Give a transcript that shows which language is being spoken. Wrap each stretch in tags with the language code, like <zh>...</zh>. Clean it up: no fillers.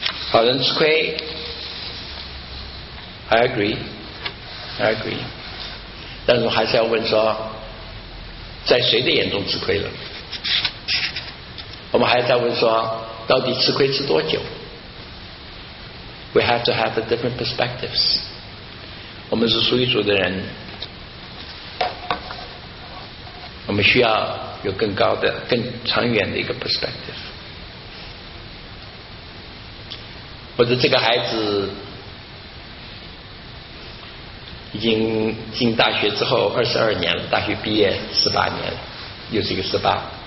<zh>好人吃亏，</zh> <en>I agree，</en> <zh>但是我还是要问说，在谁的眼中吃亏了？我们还在问说，到底吃亏吃多久？</zh> <en>We have to have the different perspectives。</en> <zh>我们是属于主的人，我们需要有更高的更长远的一个 perspective。或者这个孩子已经进大学之后22年了，大学毕业18年了，又是一个18。</zh>